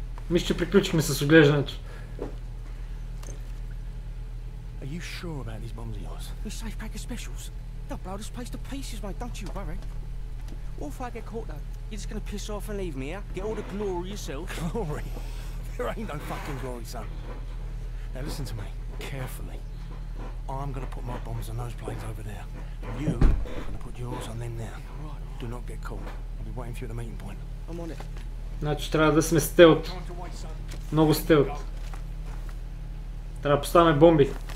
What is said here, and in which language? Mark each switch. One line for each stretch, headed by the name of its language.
Bulgarian: Мисля, че приключихме с оглеждането.
English: Are you sure about these bombs of yours? The safe pack of specials. They'll blow this place to pieces, mate, don't you worry. What if I get caught though? You're just gonna piss off and leave me, yeah? Get all the glory yourself. Glory? There ain't no fucking glory, son. Now listen to me, carefully. I'm gonna put my bombs on those planes over there. And you are gonna put yours on them there. Yeah, right. Do not get caught. I'll be waiting for you at the meeting point. I'm on it.
Bulgarian: Значи трябва да сме стелт. Много стелт. Трябва да поставяме бомби.